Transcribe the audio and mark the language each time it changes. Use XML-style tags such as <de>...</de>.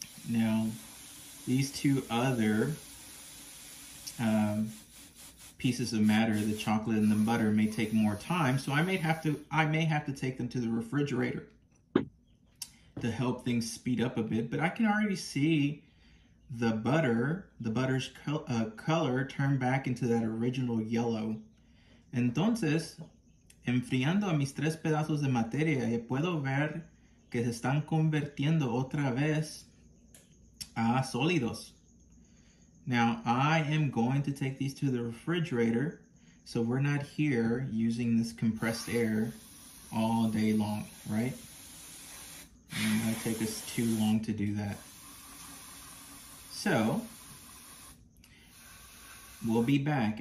<en>Now, these two other pieces of matter, the chocolate and the butter, may take more time, so I may have to take them to the refrigerator to help things speed up a bit. But I can already see the butter's color turn back into that original yellow.</en> <es>Entonces, enfriando a mis tres pedazos de materia, puedo ver que se están convirtiendo otra vez a sólidos.</es> <en>Now, I am going to take these to the refrigerator so we're not here using this compressed air all day long, right? It might take us too long to do that. So, we'll be back.</en>